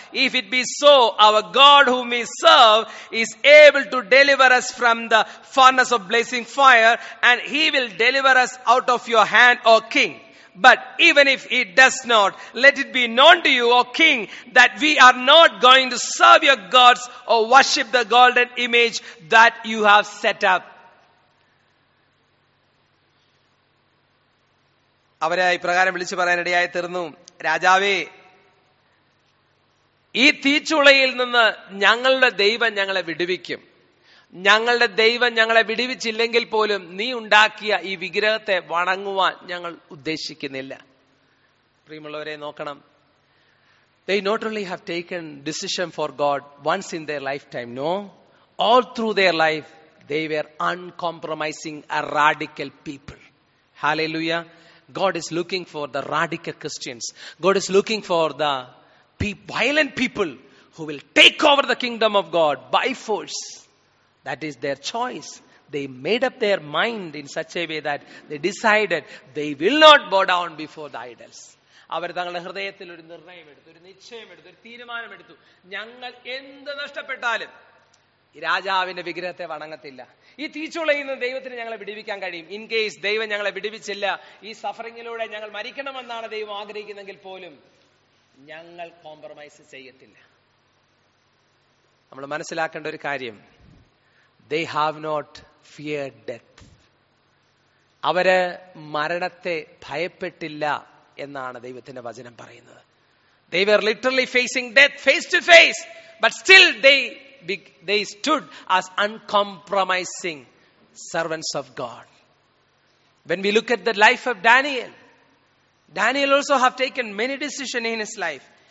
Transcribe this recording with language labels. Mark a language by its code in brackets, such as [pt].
[en] If it be so, our God whom we serve is able to deliver us from the furnace of blazing fire, and he will deliver us out of your hand, O king. But even if he does not, let it be known to you, O king, that we are not going to serve your gods or worship the golden image that you have set up. [ml] അവരെ ഇപ്രകാരം വിളിച്ചു പറയാനിടയായി തീർന്നു: രാജാവേ, ഈ തീച്ചുളയിൽ നിന്ന് ഞങ്ങളുടെ ദൈവം ഞങ്ങളെ വിടുവിക്കും. ഞങ്ങളുടെ ദൈവം ഞങ്ങളെ വിടുവിച്ചില്ലെങ്കിൽ പോലും നീ ഉണ്ടാക്കിയ ഈ വിഗ്രഹത്തെ വണങ്ങുവാൻ ഞങ്ങൾ ഉദ്ദേശിക്കുന്നില്ല. പ്രിയമുള്ളവരെ നോക്കണം, [en] They not only have taken decision for God once in their lifetime, no, all through their life they were uncompromising radical people. Hallelujah. God is looking for the radical Christians. God is looking for the violent people who will take over the kingdom of God by force. That is their choice. They made up their mind in such a way that they decided they will not bow down before the idols. [ml] അവർ തങ്ങളുടെ ഹൃദയത്തിൽ ഒരു നിർണയം എടുത്തു, ഒരു നിശ്ചയം എടുത്തു, ഒരു തീരുമാനം എടുത്തു. ഞങ്ങൾ എന്ത് നഷ്ടപ്പെട്ടാലും ഈ രാജാവിന്റെ വിഗ്രഹത്തെ വണങ്ങത്തില്ല. ഈ തീച്ചുളയിൽ നിന്ന് ദൈവത്തിന് ഞങ്ങളെ വിടുവിക്കാൻ കഴിയും. [en] in case [ml] ദൈവം ഞങ്ങളെ വിടുവിച്ചില്ല, ഈ സഫറിങ്ങിലൂടെ ഞങ്ങൾ മരിക്കണമെന്നാണ് ദൈവം ആഗ്രഹിക്കുന്നതെങ്കിൽ പോലും ഞങ്ങൾ കോംപ്രമൈസ് ചെയ്യത്തില്ല. നമ്മൾ മനസ്സിലാക്കേണ്ട ഒരു കാര്യം, [en] They have not feared death. [ml] അവര് മരണത്തെ ഭയപ്പെട്ടില്ല എന്നാണ് ദൈവത്തിന്റെ വചനം പറയുന്നത്. [en] They were literally facing death face to face, but still they stood as uncompromising servants of God. When we look at the life of Daniel, Daniel also have taken many decisions in his life.